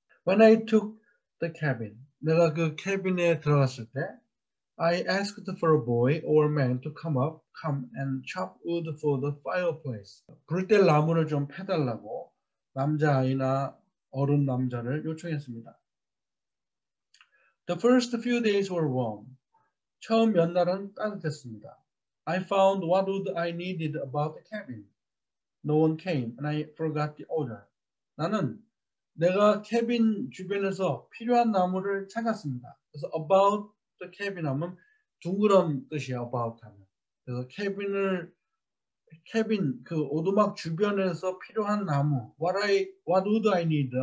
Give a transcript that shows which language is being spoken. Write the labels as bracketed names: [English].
[English] When I took the cabin, [Korean] 내가 그 캐빈에 들어갔을 때 [English] I asked for a boy or man to come and chop wood for the fireplace. [Korean] 불뗄 나무를 좀 패달라고 남자아이나 어른 남자를 요청했습니다. [English] The first few days were warm. [Korean] 처음 몇 날은 따뜻했습니다. [English] I found what wood I needed about the cabin. No one came, and I forgot the order. [Korean] 나는 내가 캐빈 주변에서 필요한 나무를 찾았습니다. 그래서 [English] about the cabin [Korean] 하면 둥그런 뜻이에요, about 하면. 그래서 캐빈 그 오두막 주변에서 필요한 나무. [English] What would I need?